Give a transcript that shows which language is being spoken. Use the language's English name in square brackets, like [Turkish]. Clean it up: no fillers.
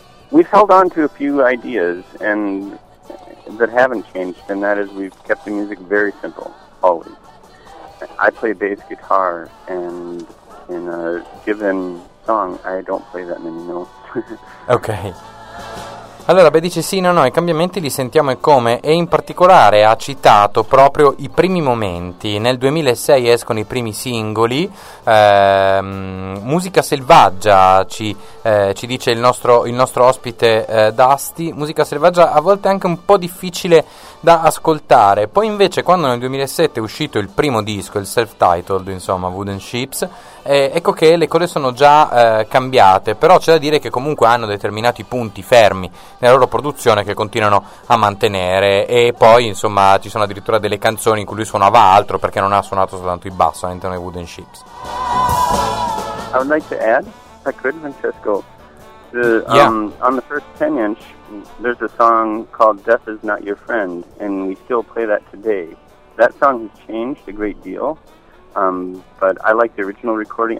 [English] we've held on to a few ideas and that haven't changed, and that is we've kept the music very simple, always. I play bass guitar, and in a given song, I don't play that many notes. Okay. [Italian] Allora, beh, dice sì, no, no, i cambiamenti li sentiamo e come, e in particolare ha citato proprio i primi momenti. Nel 2006 escono i primi singoli, Musica Selvaggia, ci dice il nostro ospite Dusty, Musica Selvaggia a volte anche un po' difficile da ascoltare. Poi invece quando nel 2007 è uscito il primo disco, il self-titled, insomma, Wooden Ships, ecco che le cose sono già cambiate, però c'è da dire che comunque hanno determinati punti fermi nella loro produzione che continuano a mantenere, e poi insomma ci sono addirittura delle canzoni in cui lui suonava altro perché non ha suonato soltanto il basso all'interno dei Wooden Ships. [English] I would like to add, if I could, Francesco, on the first 10-inch there's a song called Death Is Not Your Friend, and we still play that today. That song has changed a great deal, but I like the original recording.